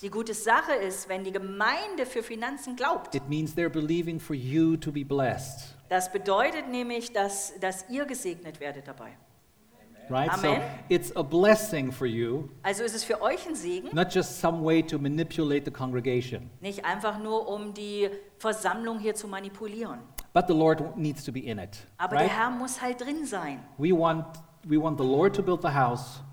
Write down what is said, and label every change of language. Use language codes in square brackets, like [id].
[de] Die gute Sache ist, wenn die Gemeinde für Finanzen glaubt. [en] It means they're believing for you to be blessed. [de] Das bedeutet nämlich, dass ihr gesegnet werdet dabei. [en] Right? Amen. So it's a blessing for you. [de] Also ist es für euch ein Segen. [en] Not just some way to manipulate the congregation. [de] Nicht einfach nur um die Versammlung hier zu manipulieren. [en] But the Lord needs to be in it. [de] Aber [en] right? [de] Der Herr muss halt drin sein. [en] We want the Lord to build the house.